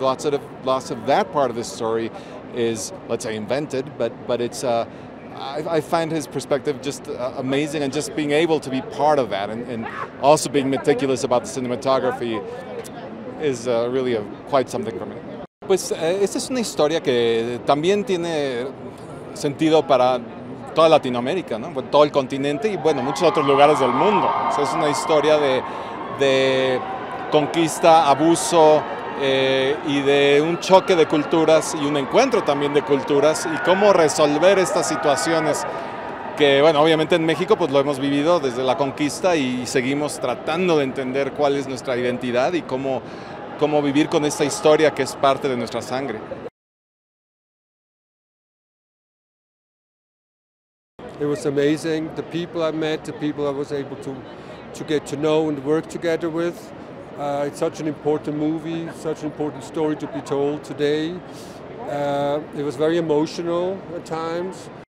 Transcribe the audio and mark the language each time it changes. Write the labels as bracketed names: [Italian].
[English] Lots of that part of the story is, let's say, invented, but it's I find his perspective just amazing, and just being able to be part of that and also being meticulous about the cinematography is really quite something for me. [Spanish] Pues esta es una historia que también tiene sentido para toda Latinoamérica, ¿no? Bueno, todo el continente y bueno, muchos otros lugares del mundo. O sea, es una historia de conquista, abuso y de un choque de culturas y un encuentro también de culturas y cómo resolver estas situaciones que, bueno, obviamente en México pues lo hemos vivido desde la conquista y seguimos tratando de entender cuál es nuestra identidad y cómo vivir con esta historia que es parte de nuestra sangre. [English] It was amazing, the people I met, the people I was able to get to know and work together with. It's such an important movie, such an important story to be told today. It was very emotional at times.